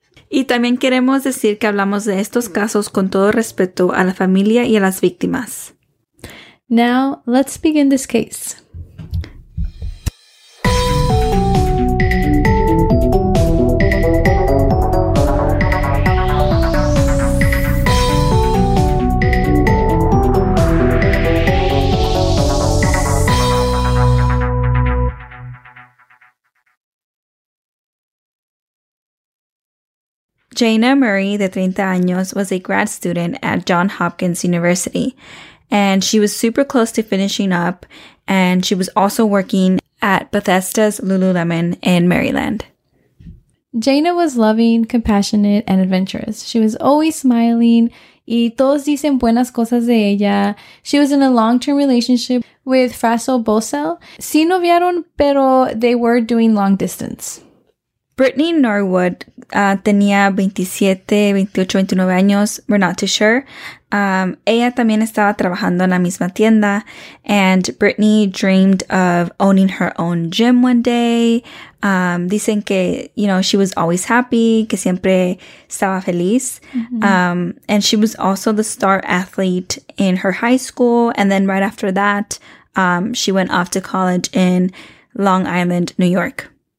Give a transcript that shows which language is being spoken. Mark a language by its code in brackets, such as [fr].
[es] Y también queremos decir que hablamos de estos casos con todo respeto a la familia y a las víctimas. [en] Now, let's begin this case. Jaina Murray, [es] de 30 años, [en] was a grad student at Johns Hopkins University, and she was super close to finishing up, and she was also working at Bethesda's Lululemon in Maryland. Jaina was loving, compassionate, and adventurous. She was always smiling, [es] y todos dicen buenas cosas de ella. [en] She was in a long-term relationship with Fraso Bosell. [es] Sí noviaron, pero [en] they were doing long distance. Brittany Norwood [es] tenía 27, 28, 29 años. [en] We're not too sure. [es] Ella también estaba trabajando en la misma tienda. [en] And Brittany dreamed of owning her own gym one day. [es] Dicen que, [en] you know, she was always happy, [es] que siempre estaba feliz. [en] Mm-hmm. And she was also the star athlete in her high school. And then right after that, she went off to college in Long Island, New York.